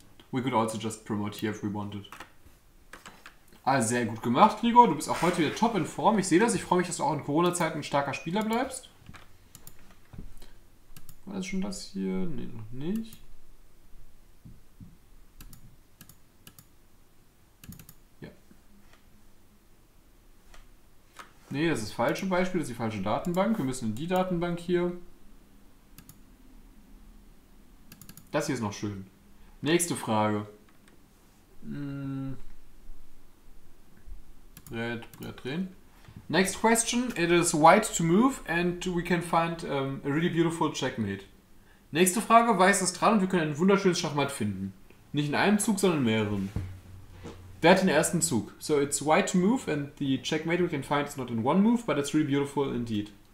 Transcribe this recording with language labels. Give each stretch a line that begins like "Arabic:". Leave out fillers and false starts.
English: We could also just promote here if we wanted.
German: Ah, sehr gut gemacht, Gregor. Du bist auch heute wieder top in Form. Ich sehe das. Ich freue mich, dass du auch in Corona-Zeiten ein starker Spieler bleibst. War das schon das hier? Nee, noch nicht. Nee, das ist das falsche Beispiel. Das ist die falsche Datenbank. Wir müssen in die Datenbank hier. Das hier ist noch schön. Nächste Frage. Brett, Brett drehen.
English: Next question. It is white to move and we can find a really beautiful checkmate.
German: Nächste Frage. Weiß ist dran und wir können ein wunderschönes Schachmatt finden. Nicht in einem Zug, sondern in mehreren. Wer hat den ersten Zug?
English: So it's white to move and the checkmate we can find is not in one move, but it's really beautiful indeed.